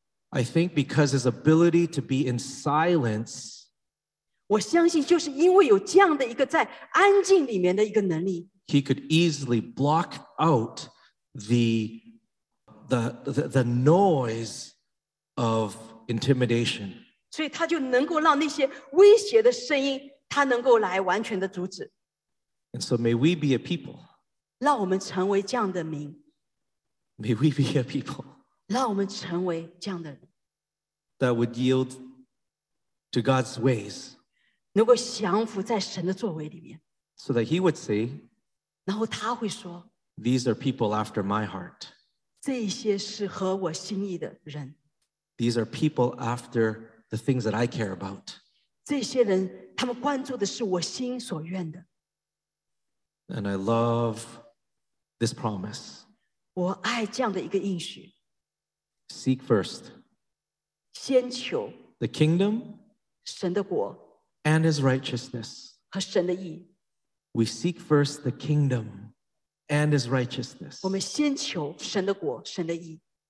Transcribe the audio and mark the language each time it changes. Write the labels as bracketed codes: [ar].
[en] I think because his ability to be in silence, [zh] 我相信就是因为有这样的一个在安静里面的一个能力， [en] he could easily block out the noise of intimidation. [zh] 所以他就能够让那些威胁的声音，他能够来完全的阻止。 [en] And so may we be a people. [zh] 让我们成为这样的民。 [en] May we be a people. [zh] 让我们成为这样的人。 [en] That would yield to God's ways. [zh] 能够降服在神的作为里面。 [en] So that he would say, [zh] 然后他会说, [en] These are people after my heart. [zh] 这些是合我心意的人。 [en] These are people after the things that I care about. [zh] 这些人他们关注的是我心所愿的。 [en] And I love this promise. [zh] 我爱这样的一个应许。 [en] Seek first. [zh] 先求。 [en] The kingdom. [zh] 神的国。 [en] And his righteousness. [zh] 和神的义。 [en] We seek first the kingdom and his righteousness. [zh] 我们先求神的国，神的义。